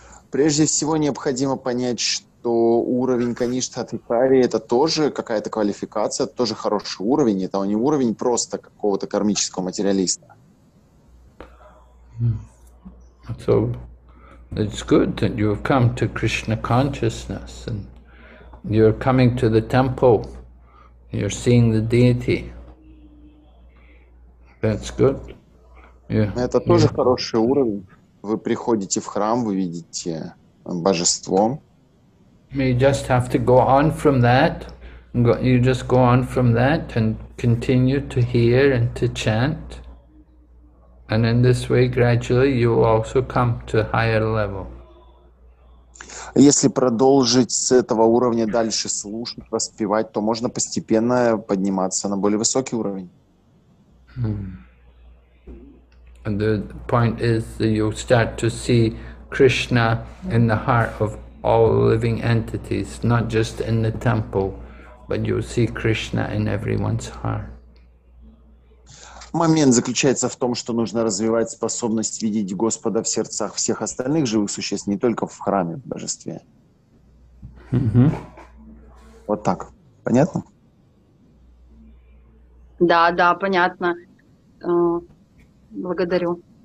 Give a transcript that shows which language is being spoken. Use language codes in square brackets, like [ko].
[ru] Прежде всего необходимо понять, что уровень Kanishtha Adhikari это тоже какая-то квалификация, тоже хороший уровень, это не уровень просто какого-то кармического материалиста. [en] So it's good that you've come to Krishna consciousness and you're coming to the temple, you're seeing the deity. That's good. Yeah. [ru] Это тоже хороший уровень. Вы приходите в храм, вы видите божество. [en] You just have to go on from that. You just go on from that and continue to hear and to chant. And in this way, gradually, you also come to higher level. [ru] Если продолжить с этого уровня дальше слушать, воспевать, то можно постепенно подниматься на более высокий уровень. [en] And the point is that you start to see Krishna in the heart of all living entities, not just in the temple, but you see Krishna in everyone's heart. [ru] Момент заключается в том, что нужно развивать способность видеть Господа в сердцах всех остальных живых существ, не только в храме, в божестве. Mm-hmm. Вот так. Понятно? Да, да, понятно. Благодарю.